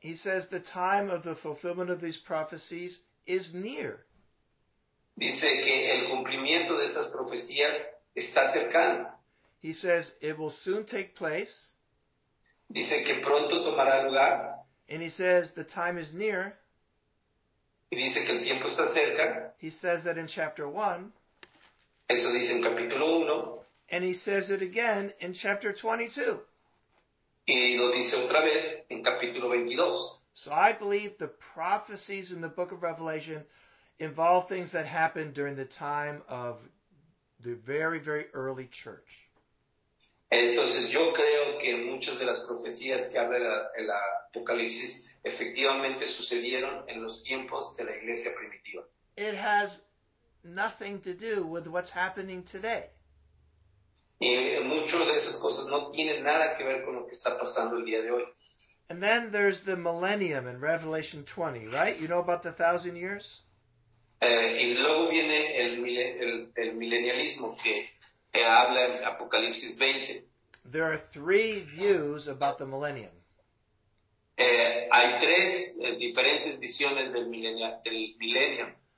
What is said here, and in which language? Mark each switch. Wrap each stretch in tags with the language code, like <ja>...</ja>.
<en>he says the time of the fulfillment of these prophecies is near.</en> <es>Dice que el cumplimiento de estas profecías está cercano.</es> <en>He says it will soon take place.</en> <es>Dice que pronto tomará lugar.</es> <en>And he says the time is near.</en> <es>Y dice que el tiempo está cerca.</es> <en>He says that in chapter 1.</en> <es>Eso dice en capítulo 1.</es> <en>And he says it again in chapter 22.</en> <es>Y lo dice otra vez en capítulo 22.</es> <en>So I believe the prophecies in the book of Revelation involve things that happened during the time of the very, very early church.</en> <es>Entonces yo creo que muchas de las profecías que habla el Apocalipsis efectivamente sucedieron en los tiempos de la iglesia primitiva.</es> <en>It has nothing to do with what's happening today.</en> <es>Y muchas de esas cosas no tienen nada que ver con lo que está pasando el día de hoy.</es> <en>And then there's the millennium in Revelation 20, right? You know about the 1,000 years?</en> <es>Y luego viene el milenialismo que habla en Apocalipsis 20.</es> <en>There are three views about the millennium.</en> <es>Hay tres diferentes visiones del milenio.</es>